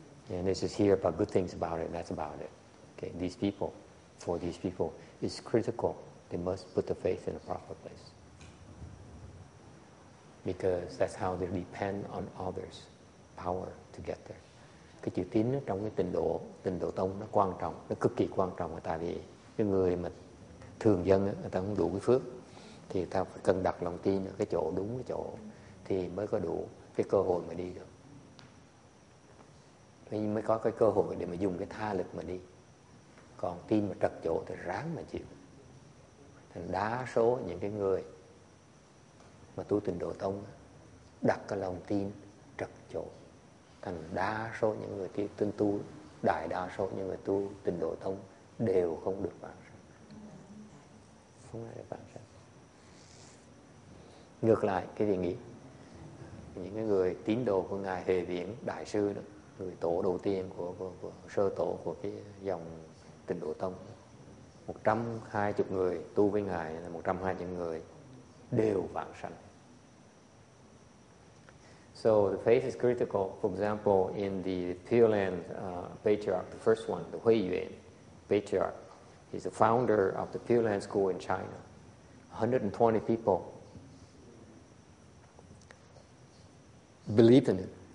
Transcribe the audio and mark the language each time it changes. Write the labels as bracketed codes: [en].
[en] And they just hear about good things about it, and that's about it. Okay, these people, for these people, it's critical. They must put the faith in the proper place. Because that's how they depend on others' power to get there. [vi] Cái chữ tín trong cái tình độ tông nó quan trọng, nó cực kỳ quan trọng. Tại vì cái người mà thường dân người ta không đủ cái phước, thì ta phải cần đặt lòng tin ở cái chỗ đúng cái chỗ, thì mới có đủ cái cơ hội mà đi được. Mới có cái cơ hội để mà dùng cái tha lực mà đi. Còn tin mà trật chỗ thì ráng mà chịu. Thành đa số những cái người mà tu tình độ tông đặt cái lòng tin trật chỗ. Thành đa số những người tin tu, đại đa số những người tu tình độ tông đều không được vãng sanh. Không ai được vãng sanh. Ngược lại, cái gì nghĩ? Những cái người tín đồ của Ngài Huệ Viễn, đại sư đó, người tổ đầu tiên của sơ tổ của cái dòng tình độ tông, 120 người tu với Ngài là 120 người đều vãng sanh. [en] So the faith is critical. For example, in the Pure Land patriarch, the first one, the Hui Yuan patriarch, he's the founder of the Pure Land school in China. 120 people believed in him.